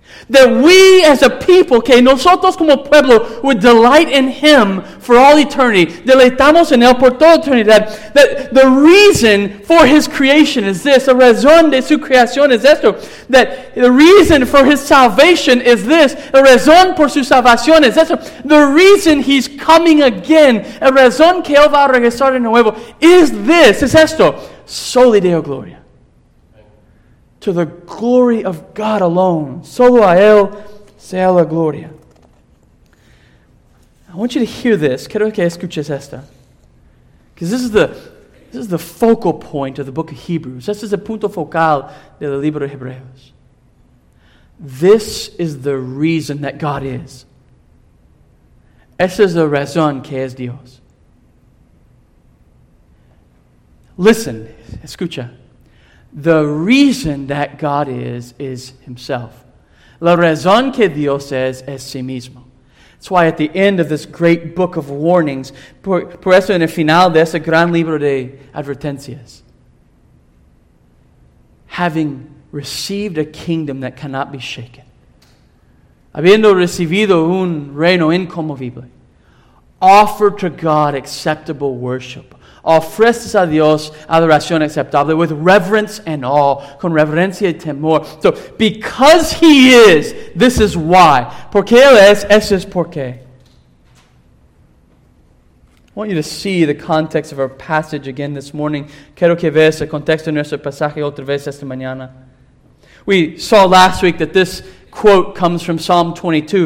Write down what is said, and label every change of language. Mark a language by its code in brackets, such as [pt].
[en] that we as a people, [es] que nosotros como pueblo, [en] would delight in Him for all eternity. [es] Deleitamos en Él por toda eternidad. [en] That the reason for His creation is this. [es] La razón de su creación es esto. [en] That the reason for His salvation is this. [es] La razón por su salvación es esto. [en] The reason He's coming again, [es] la razón que Él va a regresar de nuevo, [en] is this, [es] es esto. [la] Soli Deo Gloria. [en] To the glory of God alone. [es] Solo a Él sea la gloria. [en] I want you to hear this. [es] Quiero que escuches esta. [en] Because this is the focal point of the book of Hebrews. This is the [es] punto focal del libro de Hebreos. [en] This is the reason that God is. [es] Esa es la razón que es Dios. [en] Listen, [es] escucha. [en] The reason that God is Himself. [es] La razón que Dios es sí mismo. [en] That's why at the end of this great book of warnings, [es] por eso en el final de ese gran libro de advertencias, [en] having received a kingdom that cannot be shaken, [es] habiendo recibido un reino inconmovible, [en] offer to God acceptable worship. [es] Ofreces a Dios adoración aceptable [en] with reverence and awe, [es] con reverencia y temor. [en] So, because He is, this is why. [es] Porque Él es, eso es por qué. [en] I want you to see the context of our passage again this morning. [es] Quiero que veas el contexto de nuestro pasaje otra vez esta mañana. [en] We saw last week that this quote comes from Psalm 22.